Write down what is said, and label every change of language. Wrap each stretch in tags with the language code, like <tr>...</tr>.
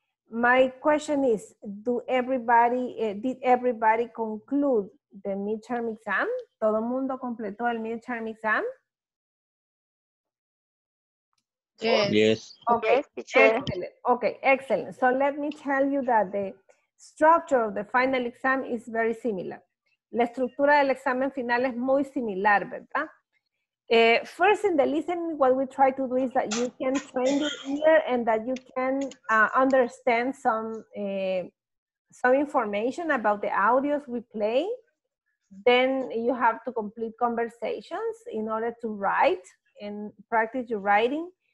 <en>My question is, did everybody conclude the midterm exam?</en> <es>¿Todo el mundo completó el</es> <en>midterm exam? Yes. Yes. Okay. Yes. Excellent. Okay, excellent. So let me tell you that the structure of the final exam is very similar.</en> <es>La estructura del examen final es muy similar, ¿verdad?</es> <en>First, in the listening, what we try to do is that you can train your ear and that you can understand some information about the audios we play. Then you have to complete conversations in order to write and practice your writing.</en>